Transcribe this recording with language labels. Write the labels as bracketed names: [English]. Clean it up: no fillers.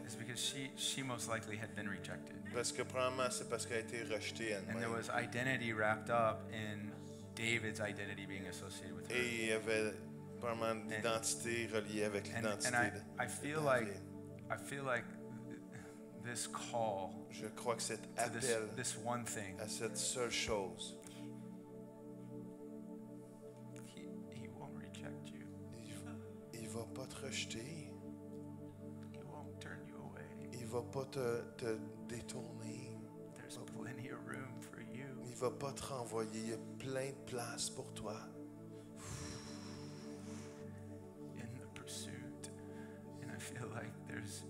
[English] is because she most likely had been rejected. [French] Parce que probablement c'est parce qu'elle a été rejetée elle-même. [English] And there was identity wrapped up in David's identity being associated with her. [French] Et il y avait probablement l'identité reliée avec l'identité. [English] I feel like this call, [French] je crois que cet appel, [English] this one thing, [French] à cette seule chose, [English] he won't reject you. [French] Il va pas te rejeter. [English] He won't turn you away. [French] Il va pas te détourner. [English] There's plenty of room for you. [French] Il va pas te renvoyer. Il y a plein de place pour toi. [English] In the pursuit, and I feel like there's